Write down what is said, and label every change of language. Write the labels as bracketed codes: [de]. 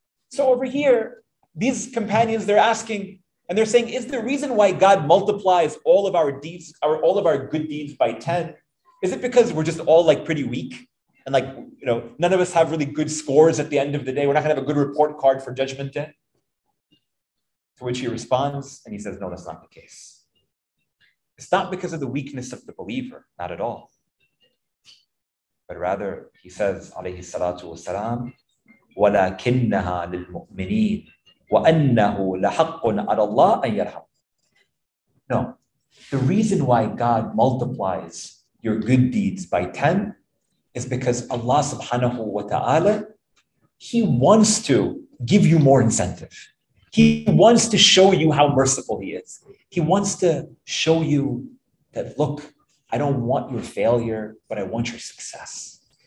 [en] So over here, these companions, they're asking, and they're saying, is the reason why God multiplies all of our deeds, our all of our good deeds by 10, is it because we're just all like pretty weak? And like, you know, none of us have really good scores at the end of the day. We're not going to have a good report card for judgment day. To which he responds, and he says, no, that's not the case. It's not because of the weakness of the believer, not at all. But rather, he says, [ar] alayhi salatu wasalam, وَلَكِنَّهَا لِلْمُؤْمِنِينَ وَأَنَّهُ لَحَقٌ عَلَى اللَّهِ أَنْ يَرْحَمُ. [en] No, the reason why God multiplies your good deeds by 10 is because Allah subhanahu wa ta'ala, He wants to give you more incentive. He wants to show you how merciful He is. He wants to show you that, look, I don't want your failure, but I want your success.